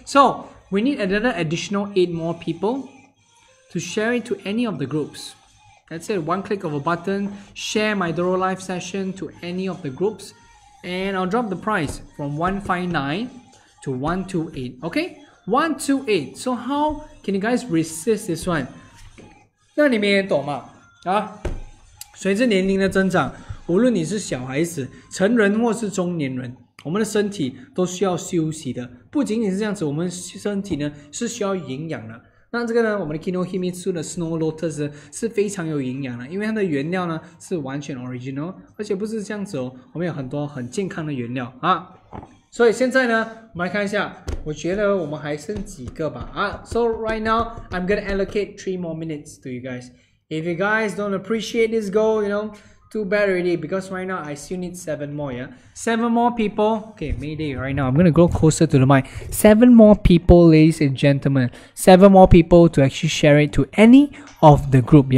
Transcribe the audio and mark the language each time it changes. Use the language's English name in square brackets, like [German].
[English] So we need another additional 8 more people to share it to any of the groups. That's it. One click of a button, share my DoroLive session to any of the groups, and I'll drop the price from 159 to 128. Okay. 128. So how can you guys resist this one? [Chinese] 那你们也懂嘛？啊？随着年龄的增长，无论你是小孩子、成人或是中年人，我们的身体都需要休息的。不仅仅是这样子，我们身体呢是需要营养的。那这个呢，我们的 Kinohimitsu 的 Snow Lotus 是非常有营养的，因为它的原料呢是完全 original， 而且不是这样子哦，我们有很多很健康的原料啊。所以现在呢，我们来看一下，我觉得我们还剩几个吧啊。 [English] So right now, I'm gonna allocate 3 more minutes to you guys. If you guys don't appreciate this goal, you know, too bad already. Because right now, I still need 7 more. Yeah, 7 more people. Okay, Mayday right now. I'm gonna go closer to the mic. 7 more people, ladies and gentlemen. 7 more people to actually share it to any of the group.